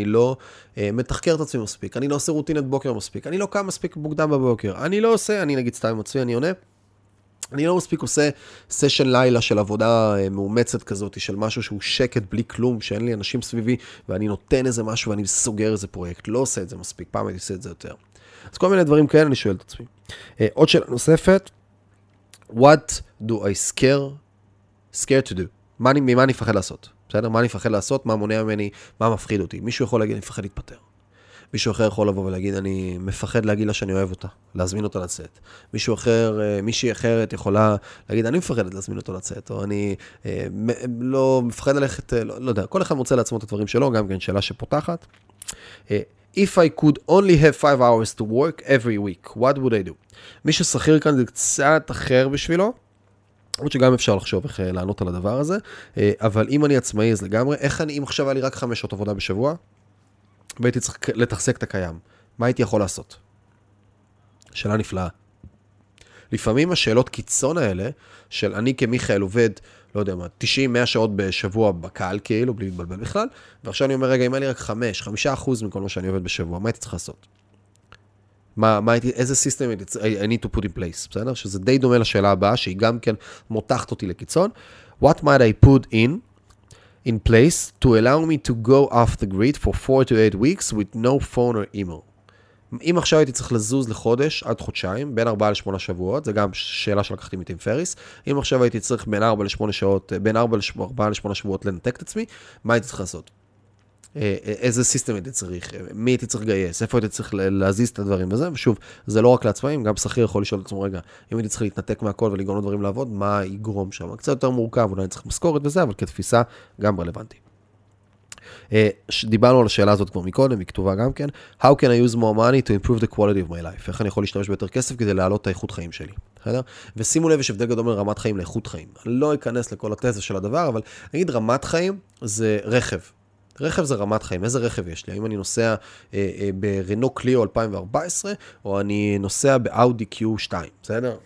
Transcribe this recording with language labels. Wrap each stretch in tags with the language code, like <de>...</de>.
<he>אני לא מתחקר את עצמי מספיק, אני לא עושה רוטינת בוקר מספיק, אני לא קם מספיק מוקדם בבוקר, אני לא עושה, אני נגיד, סתם עם עצמי, אני עונה. אני לא מספיק עושה סשן לילה של עבודה מאומצת כזאת, של משהו שהוא שקט בלי כלום, שאין לי אנשים סביבי, ואני נותן איזה משהו ואני סוגר איזה פרויקט. לא עושה את זה מספיק, פעם אני עושה את זה יותר. אז כל מיני דברים כאלה אני שואל את עצמי. עוד שאלה נוספת,</he> <en>what do I scare to do?</en> <he>ממה אני פחד לעשות? בסדר? מה אני פחד לעשות? מה מונע ממני? מה מפחיד אותי? מישהו יכול להגיד, אני פחד להתפטר. מישהו אחר יכול לבוא ולהגיד, אני מפחד להגיד לה שאני אוהב אותה, להזמין אותה לצאת. מישהו אחר, מישהי אחרת יכולה להגיד, אני מפחדת להזמין אותו לצאת, או אני לא מפחד ללכת, לא יודע, כל אחד מוצא לעצמו את הדברים שלו, גם כן שאלה שפותחת.</he> <en>If I could only have 5 hours to work every week, what would I do?</en> <he>מי ששכיר כאן זה קצת אחר בשבילו, עוד שגם אפשר לחשוב איך לענות על הדבר הזה, אבל אם אני עצמאי אז לגמרי, איך אני, אם עכשיו היה לי רק 5 שעות עבודה בשבוע, והייתי צריך לתחסק את הקיים. מה הייתי יכול לעשות? שאלה נפלאה. לפעמים השאלות קיצון האלה, של אני כמיכאל עובד, לא יודע מה, 90-100 שעות בשבוע בקהל כאילו, בלי להתבלבל בכלל, ועכשיו אני אומר, רגע, אם היה לי רק 5% מכל מה שאני עובד בשבוע, מה הייתי צריך לעשות? איזה סיסטם הייתי,</he> <en>I need to put in place,</en> <he>בסדר? שזה די דומה לשאלה הבאה, שהיא גם כן מותחת אותי לקיצון.</he> <en>What might I put in? In place to allow me to go off the grid for 4 to 8 weeks with no phone or email.</en> <he>אם עכשיו הייתי צריך לזוז לחודש עד חודשיים, בין 4 ל-8 שבועות, זה גם שאלה שלקחתי מטים פריס, אם עכשיו הייתי צריך בין 4 ל-8 שעות, בין 4 ל-8 שבועות לנתק את עצמי, מה הייתי צריך לעשות? איזה סיסטם הייתי צריך, מי הייתי צריך לגייס, איפה הייתי צריך להזיז את הדברים וזה, ושוב, זה לא רק לעצמאים, גם שכיר יכול לשאול את עצמו רגע, אם הייתי צריך להתנתק מהכל ולגרום לדברים לעבוד, מה יגרום שם? קצת יותר מורכב, אולי אני צריך מזכורת וזה, אבל כתפיסה גם רלוונטי. דיברנו על השאלה הזאת כבר מקודם, היא כתובה גם כן,</he> <en>How can I use more money to improve the quality of my life?</en> <he>איך אני יכול להשתמש ביותר כסף כדי להעלות את האיכות חיים שלי? בסדר? ושימו לב, יש הבדל גדול מרמת חיים לאיכות חיים. אני לא אכנס לכל התזה של הדבר, אבל נגיד רמת חיים זה רכב. רכב זה רמת חיים. איזה רכב יש לי? האם אני נוסע ברנו קליו 2014, או אני נוסע באאודי Q2, בסדר?</he>